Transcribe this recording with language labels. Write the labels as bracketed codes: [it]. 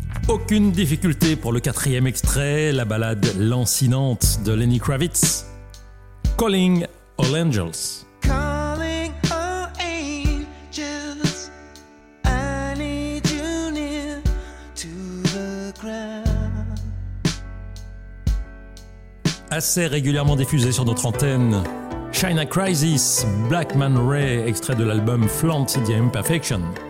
[fr] Aucune difficulté pour le quatrième extrait, la ballade lancinante de Lenny Kravitz, Calling All Angels. [en] Calling all angels, I need you near to the ground. [fr] Assez régulièrement diffusé sur notre antenne, China Crisis, Black Man Ray, extrait de l'album Flaunt the Imperfection.